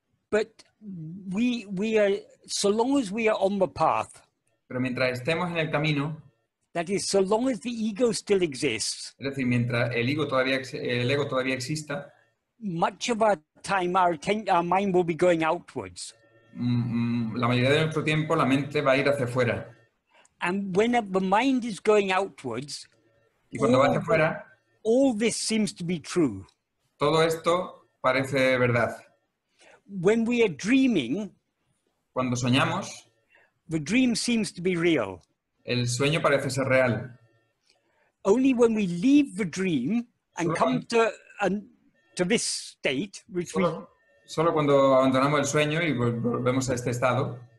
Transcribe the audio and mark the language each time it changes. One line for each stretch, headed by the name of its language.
English: But we are, so long as we are on the path.
Spanish: Pero mientras estemos en el camino.
English: That is, so long as the ego still exists.
Spanish: Es decir, mientras el ego todavía exista.
English: Much of our time, our mind will be going outwards.
Spanish: La mayoría de nuestro tiempo, la mente va a ir hacia fuera.
English: And when the mind is going outwards,
Spanish: y cuando va hacia fuera,
English: all this seems to be true.
Spanish: Todo esto parece verdad.
English: When we are dreaming,
Spanish: cuando soñamos,
English: the dream seems to be real.
Spanish: El sueño parece ser real.
English: Only when we leave the dream and come to this state, which
Spanish: solo cuando abandonamos el sueño y volvemos a este estado,